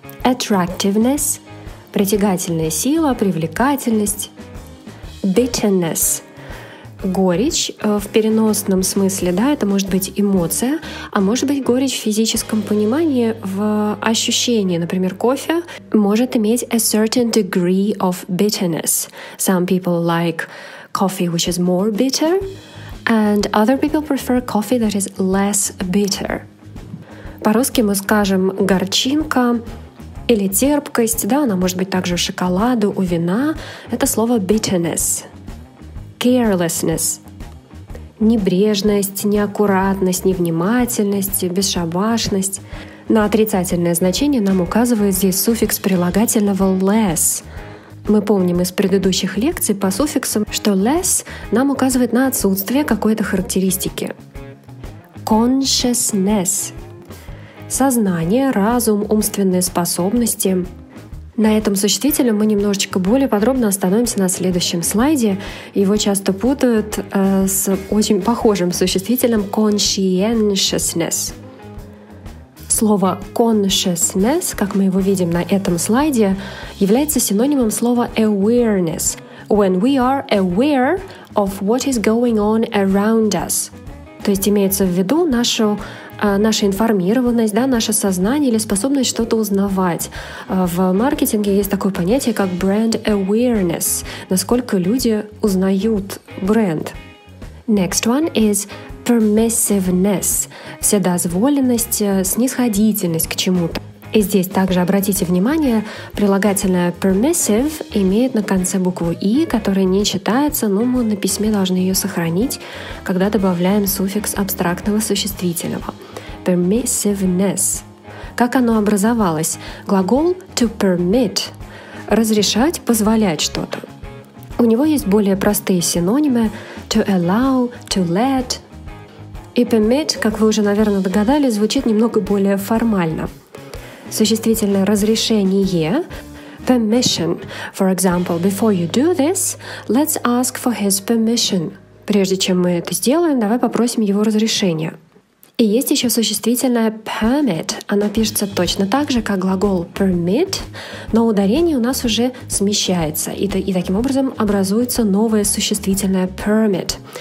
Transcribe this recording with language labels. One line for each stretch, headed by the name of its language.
Russian: Attractiveness – притягательная сила, привлекательность. Bitterness – горечь в переносном смысле, да, это может быть эмоция, а может быть горечь в физическом понимании, в ощущении. Например, кофе может иметь
English: a certain degree of bitterness. Some people like coffee, which is more bitter, and other people prefer coffee that is less bitter.
Russian: По-русски мы скажем горчинка или терпкость, да, она может быть также у шоколада, у вина. Это слово bitterness. Carelessness. Небрежность, неаккуратность, невнимательность, бесшабашность. На отрицательное значение нам указывает здесь суффикс прилагательного less. Мы помним из предыдущих лекций по суффиксам, что less нам указывает на отсутствие какой-то характеристики. Consciousness – сознание, разум, умственные способности. На этом существительном мы немножечко более подробно остановимся на следующем слайде. Его часто путают с очень похожим существительным conscientiousness. Слово consciousness, как мы его видим на этом слайде, является синонимом слова awareness.
English: When we are aware of what is going on around us.
Russian: То есть имеется в виду наша информированность, да, наше сознание или способность что-то узнавать. В маркетинге есть такое понятие, как brand awareness. Насколько люди узнают бренд.
English: Next one is permissiveness
Russian: – вседозволенность, снисходительность к чему-то. И здесь также обратите внимание, прилагательное permissive имеет на конце букву «и», которая не читается, но мы на письме должны ее сохранить, когда добавляем суффикс абстрактного существительного. Permissiveness. Как оно образовалось? Глагол to permit – разрешать, позволять что-то. У него есть более простые синонимы to allow, to let. И permit, как вы уже, наверное, догадались, звучит немного более формально. Существительное разрешение – permission.
English: For example, before you do this, let's ask for his permission.
Russian: Прежде чем мы это сделаем, давай попросим его разрешения. И есть еще существительное permit. Оно пишется точно так же, как глагол permit, но ударение у нас уже смещается, и таким образом образуется новое существительное permit.